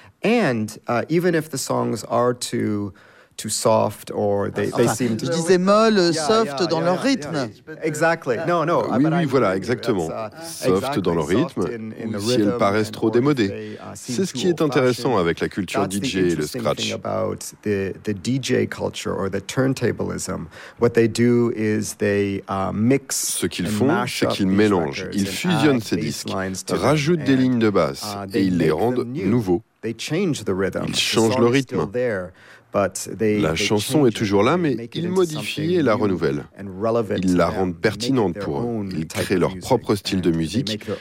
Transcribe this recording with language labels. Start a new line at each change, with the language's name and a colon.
English: And even if the songs are too soft or they seem
French: to, je disais molle, soft dans leur rythme.
English: Exactly. No.
French: Oui, oui, voilà, exactement. Soft dans leur rythme, ou si elles paraissent trop démodées. C'est ce qui est intéressant avec la culture DJ et le scratch.
English: About the DJ culture or the turntablism, what they do is they mix.
French: Ce qu'ils font, c'est qu'ils mélangent, ils fusionnent ces disques, rajoutent des lignes de basse et ils les rendent nouveaux.
English: They change the rhythm.
French: Ils changent le rythme. La chanson est toujours là, mais ils modifient et la renouvellent. Ils la rendent pertinente pour eux. Ils créent leur propre style de musique.